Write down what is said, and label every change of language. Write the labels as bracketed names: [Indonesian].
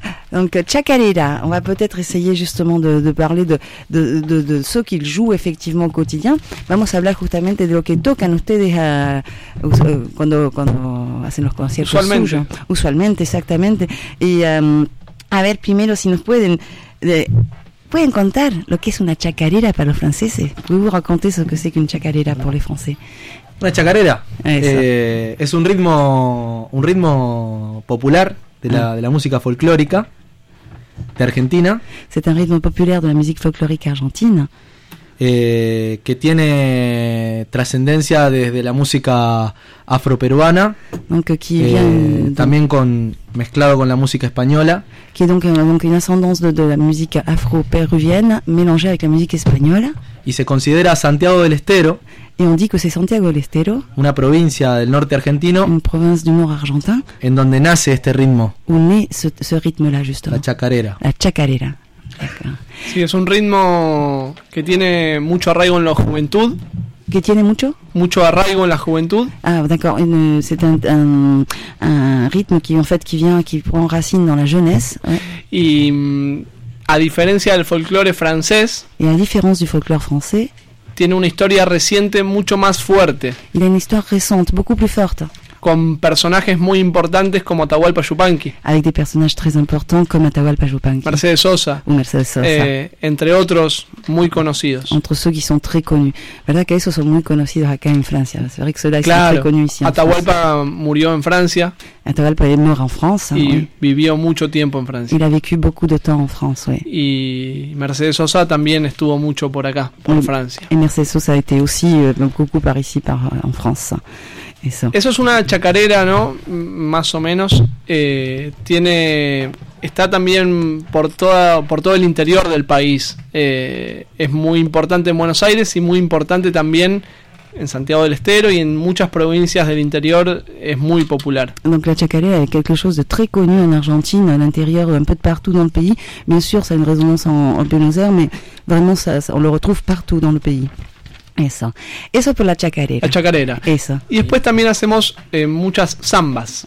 [French] donc chacarera, on va peut-être essayer justement de parler de ce qu'ils jouent effectivement au quotidien. [Spanish] Vamos a hablar justamente de lo que tocan ustedes cuando hacen los conciertos. Usualmente. Suyos. Usualmente, exactamente. Y a ver primero si nos pueden... ¿Pueden contar lo que es una chacarera para los franceses? ¿Puedo raconter lo que es una chacarera para los franceses? Una chacarera es un ritmo popular de la música folclórica de Argentina. [French] C'est un [Spanish] ritmo popular de la música folclórica argentina. Que tiene trascendencia desde la música afroperuana. [French] Donc, qui vient, [Spanish] también con mezclado con la música española. [French] Qui est donc une ascendance de la musique afro-péruvienne mélangée avec la musique espagnole. [Spanish] Y se considera Santiago del Estero. [French] Et on dit que c'est Santiago del Estero. [Spanish] Una provincia del norte argentino. [French] Une province du nord argentin. [Spanish] En donde nace este ritmo. [French] Où naît ce rythme-là justement. [Spanish] La chacarera. La chacarera. Sí, es un ritmo que tiene mucho arraigo en la juventud. ¿Qué tiene mucho? Mucho arraigo en la juventud. [French] Ah, d'accord. C'est un [Spanish] ritmo que [French] en fait qui prend racine dans la jeunesse. [Spanish] Y a diferencia del folclore francés. Y a diferencia del folclore francés. Tiene una historia reciente mucho más fuerte. [French] Il a une histoire récente beaucoup plus forte. [Spanish] Con personajes muy importantes como Atahualpa Yupanqui. [French] Avec des personnages très importants comme Atahualpa Yupanqui. [Spanish] Mercedes Sosa. [French] Ou Mercedes Sosa. [Spanish] Entre otros muy conocidos. [French] Entre ceux qui sont très connus. [Spanish] ¿Verdad que esos son muy conocidos acá en Francia? [French] C'est vrai que ceux-là sont très connus ici. [Spanish] Atahualpa murió en Francia. [French] Atahualpa est mort en France. [Spanish] Y vivió mucho tiempo en Francia. [French] Il a vécu beaucoup de temps en France, oui. [Spanish] Y Mercedes Sosa también estuvo mucho por acá, por Francia. [French] Et Mercedes Sosa a été aussi beaucoup par ici, en France. [Spanish] Eso es una chacarera, ¿no? Más o menos. Está también por todo el interior del país. Es muy importante en Buenos Aires y muy importante también en Santiago del Estero y en muchas provincias del interior es muy popular. [French] Donc la chacarera es quelque chose de très connu en Argentina, en l'intérieur, un peu de partout dans le pays. Bien sûr, ça a une résonance en Buenos Aires, mais vraiment on le retrouve partout dans le pays. [Spanish] Eso por la chacarera. La chacarera. Eso. Y después también hacemos muchas zambas.